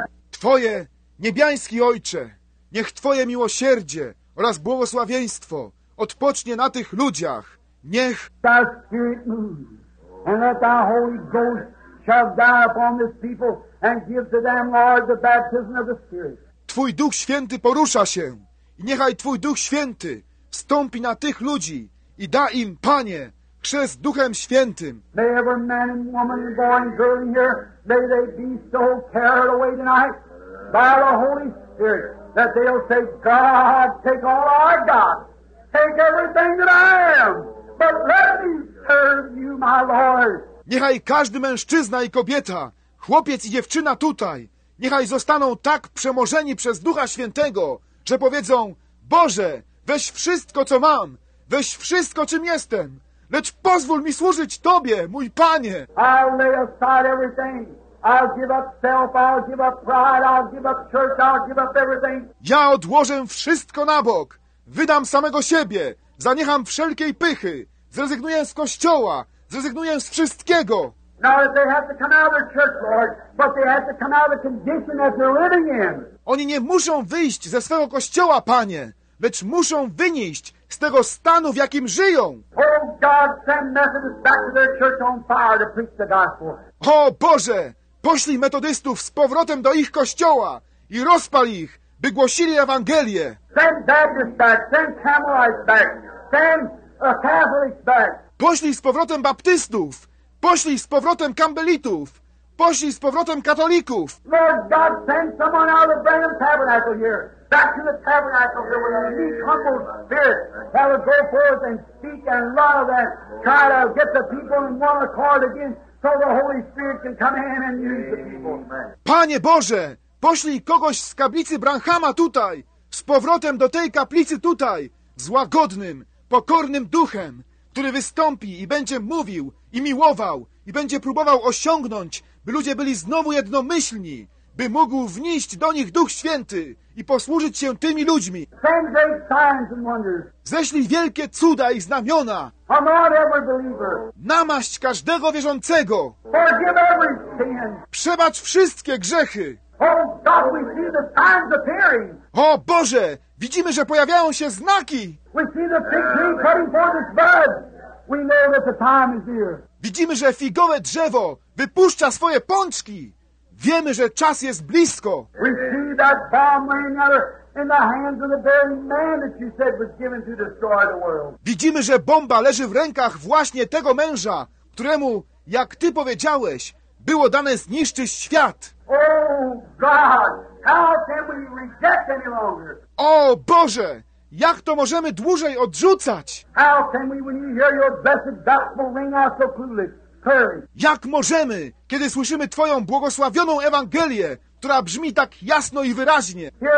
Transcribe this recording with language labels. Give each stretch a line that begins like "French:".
Polish: Twoje niebiański Ojcze, niech Twoje miłosierdzie oraz błogosławieństwo odpocznie na tych ludziach. Niech
English: thy spirit move and let thy Holy Ghost shall die upon this people and give to them, Lord, the baptism of the Spirit.
Polish: Twój Duch Święty porusza się. I niechaj Twój Duch Święty wstąpi na tych ludzi i da im, Panie, chrzest Duchem Świętym.
English: May every man and woman and boy and girl in here, may they be so carried away tonight by the Holy Spirit that they'll say, God, take all I got, take everything that I am, but let me serve you, my Lord.
Polish: Niechaj każdy mężczyzna i kobieta, chłopiec i dziewczyna tutaj, niechaj zostaną tak przemożeni przez Ducha Świętego, że powiedzą, Boże, weź wszystko, co mam, weź wszystko, czym jestem, lecz pozwól mi służyć Tobie, mój Panie.
English: I'll lay aside everything. I'll give up self, I'll give up pride, I'll give up church, I'll give up everything.
Polish: Ja odłożę wszystko na bok. Wydam samego siebie. Zaniecham wszelkiej pychy. Zrezygnuję z kościoła. Zrezygnuję z wszystkiego.
English: Now if they have to come out of the church, Lord, but they have to come out of the condition that they're living in.
Polish: Oni nie muszą wyjść ze swego kościoła, Panie, lecz muszą wynieść z tego stanu, w jakim żyją.
English: Oh God, send Methodists back to their church on fire to preach the gospel.
Polish: O Boże, poślij metodystów z powrotem do ich kościoła i rozpal ich, by głosili Ewangelię.
English: Send Baptists back, send Camelites back, send Catholics back.
Polish: Poślij z powrotem Baptystów, poślij z powrotem Campbellitów, poślij z powrotem katolików.
English: Lord God, send someone out of Branham's tabernacle here, back to the tabernacle here with a meek, humble spirit that will go forth and speak and love and try to get the people in one accord again. So the Holy Spirit can come in and use the people.
Polish: Panie Boże, poślij kogoś z kaplicy Branhama tutaj, z powrotem do tej kaplicy tutaj, z łagodnym, pokornym duchem, który wystąpi i będzie mówił i miłował i będzie próbował osiągnąć, by ludzie byli znowu jednomyślni, by mógł wnieść do nich Duch Święty i posłużyć się tymi ludźmi.
English: Send great signs and wonders.
Polish: Ześlij wielkie cuda i znamiona.
English: Anoint every believer.
Polish: Namaść każdego wierzącego.
English: Forgive every sin.
Polish: Przebacz wszystkie grzechy.
English: Oh God, we see the signs appearing.
Polish: O Boże, widzimy, że pojawiają się znaki.
English: We see the fig tree cutting forth its bud. We know that the time is here.
Polish: Widzimy, że figowe drzewo wypuszcza swoje pączki. Wiemy, że czas jest blisko.
English: We see that bomb laying out in the hands of the very man that you said was given to destroy the world.
Polish: Widzimy, że bomba leży w rękach właśnie tego męża, któremu, jak ty powiedziałeś, było dane zniszczyć świat.
English: Oh God, how can we reject any longer?
Polish: O Boże, jak to możemy dłużej odrzucać?
English: How can we, when you hear your blessed gospel ring out so clearly?
Polish: Jak możemy, kiedy słyszymy Twoją błogosławioną Ewangelię, która brzmi tak jasno i wyraźnie?